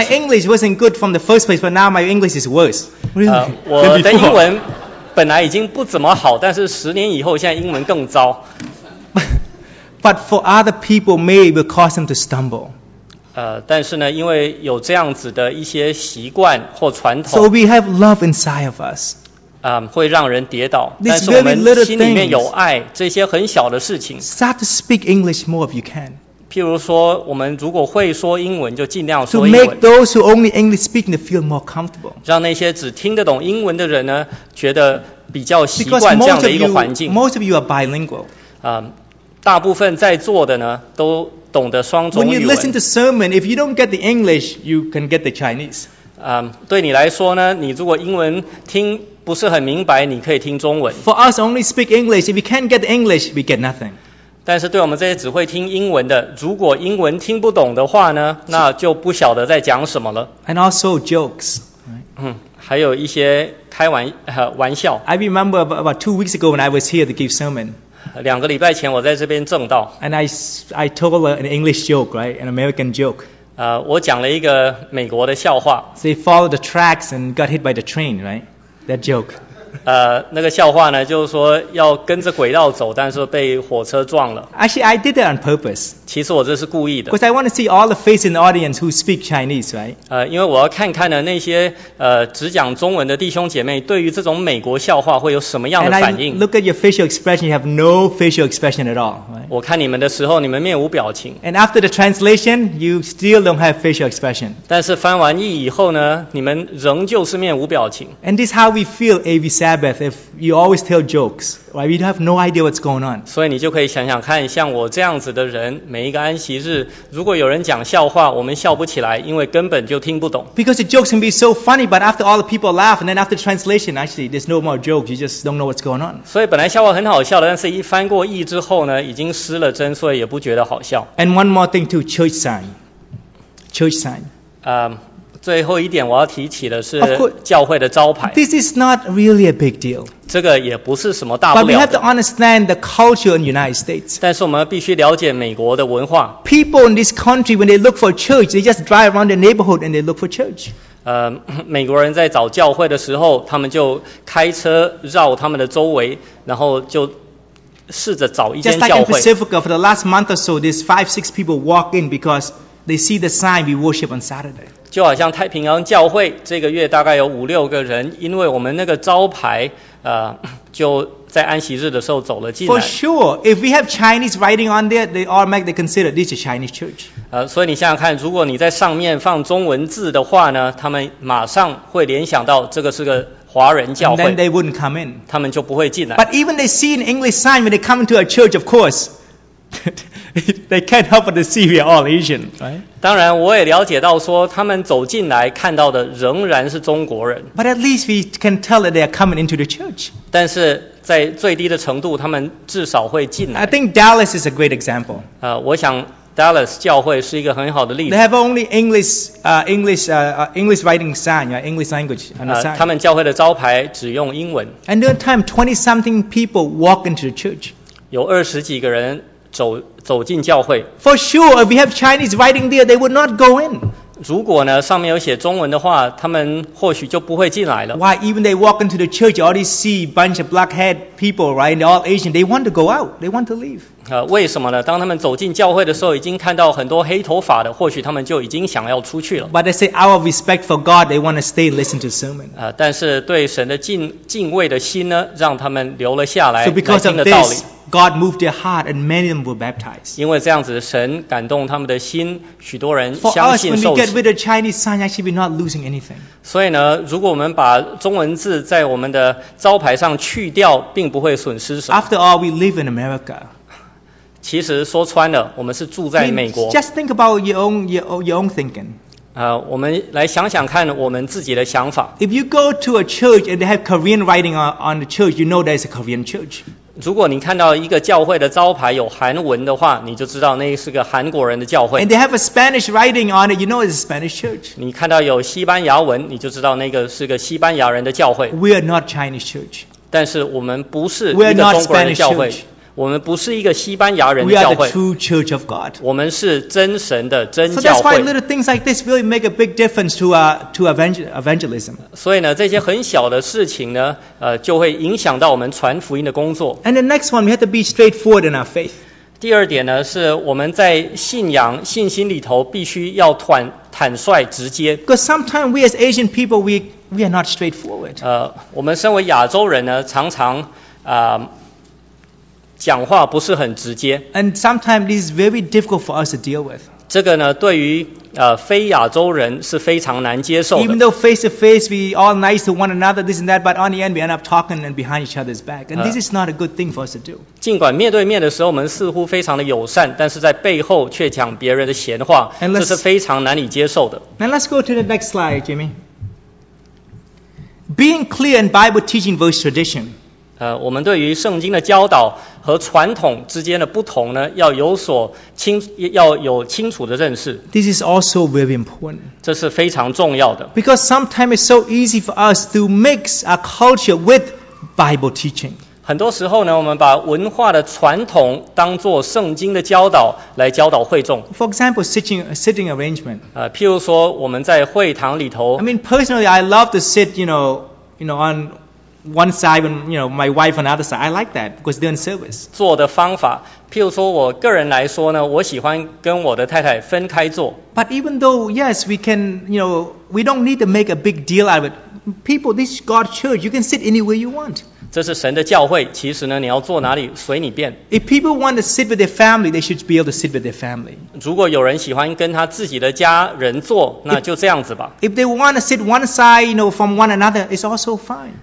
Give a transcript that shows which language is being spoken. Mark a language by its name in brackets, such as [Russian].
[English] I mean, my English wasn't good from the first place, but now my English is worse. Really? [Chinese] 我的英文本来已经不怎么好，但是十年以后，现在英文更糟。 [English] But for other people, maybe it caused them to stumble. [Chinese] 但是呢，因为有这样子的一些习惯或传统 [English] ，so we have love inside of us. [Chinese] 会让人跌倒。 [English] This very little things. [Chinese] 但是我们心里面有爱，这些很小的事情。 [English] Start to speak English more if you can. [Chinese] 譬如说，我们如果会说英文，就尽量说英文。 [English] To make those who only English speak feel more comfortable. [Chinese] 让那些只听得懂英文的人呢，觉得比较习惯这样的一个环境。 [English] Because most of you are bilingual. [Chinese] 大部分在座的呢，都懂得双重语言。 [English] When you listen to sermon, if you don't get the English, you can get the Chinese. [Chinese] 对你来说呢，你如果英文听不是很明白，你可以听中文。 [English] For us, only speak English. If we can't get the English, we get nothing. [Chinese] 但是对我们这些只会听英文的，如果英文听不懂的话呢，那就不晓得在讲什么了。 [English] And also jokes. [Chinese] 还有一些开玩笑。 [English] I remember about 2 weeks ago when I was here to give sermon. [Chinese] 两个礼拜前我在这边证道。 [English] And I told an English joke, right? An American joke. [Chinese] 我讲了一个美国的笑话。 [English] They followed the tracks and got hit by the train, right? That joke. [Chinese] 那个笑话呢，就是说要跟着轨道走，但是被火车撞了。 [English] Actually, I did it on purpose. [Chinese] 其实我这是故意的。 [English] Because I want to see all the faces in the audience who speak Chinese, right? [Chinese] 因为我要看看呢那些只讲中文的弟兄姐妹，对于这种美国笑话会有什么样的反应。 [English] And I look at your facial expression, you have no facial expression at all.、Right? [Chinese] 我看你们的时候，你们面无表情。 [English] And after the translation, you still don't have facial expression. [Chinese] 但是翻完译以后呢，你们仍旧是面无表情。 [English] And this is how we feel AV Sabbath if you always tell jokes, right? You have no idea what's going on. [Chinese] 所以你就可以想想看，像我这样子的人，每一个安息日，如果有人讲笑话，我们笑不起来，因为根本就听不懂。 [English] Because the jokes can be so funny, but after all the people laugh, and then after the translation, actually, there's no more jokes. You just don't know what's going on. [Chinese] 所以本来笑话很好笑的，但是一翻过译之后呢，已经失了真，所以也不觉得好笑。 [English] And one more thing too, church sign. Church sign. [Chinese] 最后一点我要提起的是教会的招牌。 [English] This is not really a big deal. [Chinese] 这个也不是什么大不了的。 [English] But we have to understand the culture in the United States. [Chinese] 但是我们必须了解美国的文化。 [English] People in this country, when they look for a church, they just drive around the neighborhood and they look for church. [Chinese] 美国人在找教会的时候，他们就开车绕他们的周围，然后就试着找一间教会。 [English] Just like in Pacifica, for the last month or so, there's 5-6 people walk in because they see the sign we worship on Saturday. [Chinese] 就好像太平洋教会这个月大概有五六个人，因为我们那个招牌就在安息日的时候走了进来。 [English] For sure, if we have Chinese writing on there, they automatically consider this a Chinese church. [Chinese] 所以你想想看，如果你在上面放中文字的话呢，他们马上会联想到这个是个华人教会。 [English] And then they wouldn't come in. [Chinese] 他们就不会进来。 [English] But even they see an English sign when they come into a church, of course. They can't help but see we are all Asian, right? [Chinese] 当然，我也了解到说，他们走进来看到的仍然是中国人。 [English] But at least we can tell that they are coming into the church. [Chinese] 但是在最低的程度，他们至少会进来。 [English] I think Dallas is a great example. [Chinese] 我想 Dallas 教会是一个很好的例子。 [English] They have only English writing sign, right? English language on the sign. [Chinese] 他们教会的招牌只用英文。 [English] And there are time 20-something people walk into the church. [Chinese] 有二十几个人。走进教会。 [English] For sure, if we have Chinese writing there, they would not go in. [Chinese] 如果呢上面有写中文的话，他们或许就不会进来了。 [English] Why even they walk into the church, all they see bunch of blackhead people, right? They're all Asian. They want to go out. They want to leave. [Chinese] 为什么呢？当他们走进教会的时候，已经看到很多黑头发的，或许他们就已经想要出去了。 [English] But they say out of respect for God, they want to stay and listen to sermon. [Chinese] 但是对神的敬畏的心呢，让他们留了下来。 [English] So because of this. God moved their heart and many of them were baptized. [Chinese] 因为这样子神感动他们的心，许多人相信受洗。 [English] For us, when we get rid of Chinese sign, actually we're not losing anything. [Chinese] 所以呢，如果我们把中文字在我们的招牌上去掉，并不会损失什么。 [English] After all, we live in America. [Chinese] 其实说穿了，我们是住在美国。 [English] Just think about your own thinking. [Chinese] 我们来想想看我们自己的想法。 [English] If you go to a church and they have Korean writing on the church, you know that it's a Korean church. [Chinese] 如果你看到一个教会的招牌有韩文的话，你就知道那是个韩国人的教会。 [English] And they have a Spanish writing on it, you know it's a Spanish church. [Chinese] 你看到有西班牙文，你就知道那个是个西班牙人的教会。 [English] We are not Chinese church. [Chinese] 但是我们不是一个中国人的教会。 [English] We are not Spanish church. [Chinese] 我们不是一个西班牙人的教会。 [English] We are the true church of God. [Chinese] 我们是真神的真教会。 [English] So that's why little things like this really make a big difference to evangelism. [Chinese] 所以呢，这些很小的事情呢，就会影响到我们传福音的工作。 [English] And the next one, we have to be straightforward in our faith. [Chinese] 第二点呢，是我们在信心里头必须要坦率直接。 [English] Because sometimes we as Asian people, we are not straightforward. [Chinese] 我们身为亚洲人呢，常常讲话不是很直接。 [English] And sometimes this is very difficult for us to deal with. [Chinese] 这个呢，对于非亚洲人是非常难接受的。 [English] Even though face to face we all nice to one another, this and that, but on the end we end up talking and behind each other's back. And this is not a good thing for us to do. [Chinese] 尽管面对面的时候我们似乎非常的友善，但是在背后却讲别人的闲话，这是非常难以接受的。 [English] And let's go to the next slide, Jimmy. Being clear in Bible teaching versus tradition. [Chinese] 我们对于圣经的教导和传统之间的不同呢，要有清楚的认识。 [English] This is also very important. [Chinese] 这是非常重要的。 [English] Because sometimes it's so easy for us to mix our culture with Bible teaching. [Chinese] 很多时候呢，我们把文化的传统当作圣经的教导来教导会众。 [English] For example, sitting arrangement. [Chinese] 譬如说我们在会堂里头。 [English] I mean, personally, I love to sit, you know, on. one side and you know my wife on the other side. I like that because they're in service. [Chinese] 做的方法, 譬如说我个人来说呢, 我喜欢跟我的太太分开坐。 [English] But even though yes, we can, you know, we don't need to make a big deal out of it. People, this God church, you can sit anywhere you want. [Chinese] 这是神的教会, 其实呢, 你要坐哪里, 随你便。 [English] If people want to sit with their family, they should be able to sit with their family. [Chinese] 如果有人喜欢跟他自己的家人坐, 那就这样子吧。 [English] If they want to sit one side, you know, from one another, it's also fine.